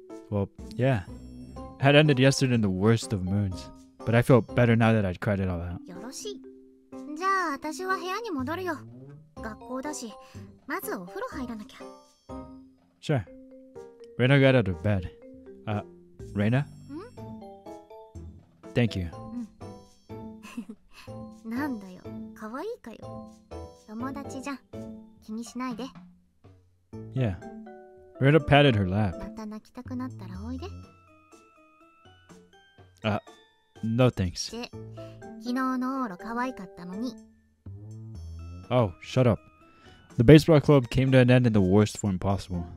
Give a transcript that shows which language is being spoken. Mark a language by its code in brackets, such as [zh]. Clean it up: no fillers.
[en] Well, yeah. It had ended yesterday in the worst of moods. But I feel better now that I'd cried it all out. [ja] よろしい。じゃあ、私は部屋に戻るよ。学校だし、まずお風呂入らなきゃ。 [en] Sure. Reina got out of bed. Reina? Thank you. [ja] なんだよ、かわいいかよ。友達じゃん。気にしないで。 [en] Yeah. Reina patted her lap. [ja] また泣きたくなったらおいで。 [en] No thanks. [ja] で、昨日のオーロかわいかったのに。 [en] Oh, shut up. The baseball club came to an end in the worst form possible.